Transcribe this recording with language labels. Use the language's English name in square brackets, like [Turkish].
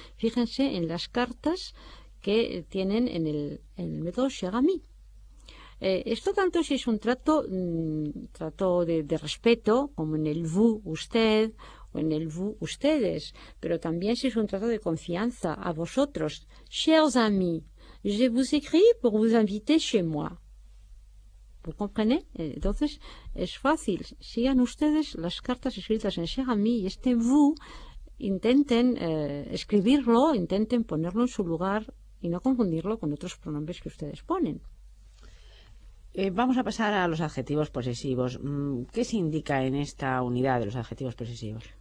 [Spanish] Fíjense en las cartas que tienen en el método Chagami. Esto tanto si es un trato de respeto, como en el vous, usted, o en el vous, ustedes, pero también si es un trato de confianza a vosotros. [French] Chers amis, je vous écris pour vous inviter chez moi. [Spanish] ¿Comprende? Entonces, es fácil. Sigan ustedes las cartas escritas en Chagami y este vous, intenten escribirlo, intenten ponerlo en su lugar y no confundirlo con otros pronombres que ustedes ponen. Vamos a pasar a los adjetivos posesivos. ¿Qué se indica en esta unidad de los adjetivos posesivos?